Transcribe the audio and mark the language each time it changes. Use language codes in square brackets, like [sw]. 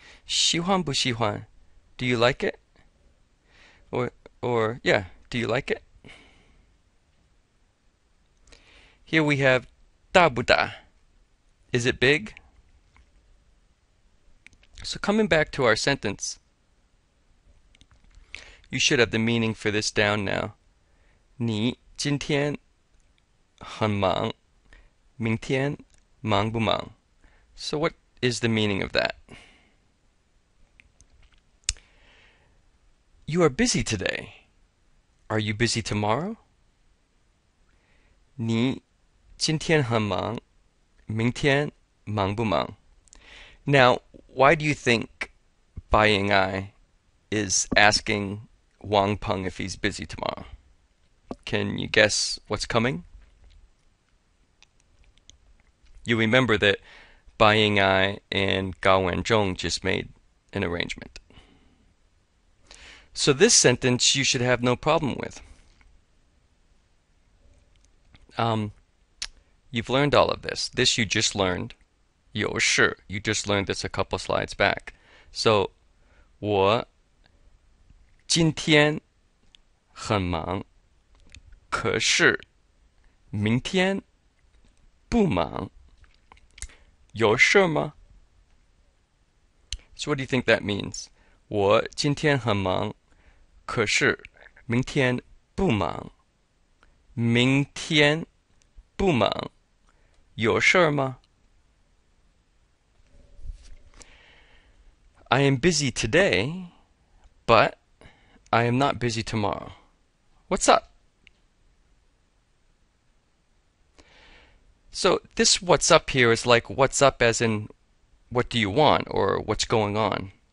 [zh] 喜欢不喜欢? [en] Do you like it? Or yeah, do you like it? Here we have [zh] 大不大? [en] Is it big? So coming back to our sentence, you should have the meaning for this down now. [zh] 你今天很忙, 明天忙不忙? [en] So what is the meaning of that? You are busy today. Are you busy tomorrow? [zh] 你今天很忙, 明天忙不忙? [en] Now, why do you think Bai Ying-ai is asking Wang Peng if he's busy tomorrow? Can you guess what's coming? You remember that Bai Ying-ai and Gao Wanzhong just made an arrangement. So this sentence you should have no problem with. You've learned all of this. This you just learned. 有事, you just learned this a couple slides back. [zh] So, 我今天很忙,可是明天不忙,有事吗? [en] So what do you think that means? [zh] 我今天很忙,可是明天不忙,明天不忙,有事吗? [en] I am busy today, but I am not busy tomorrow. What's up? So this what's up here is like what's up as in what do you want or what's going on?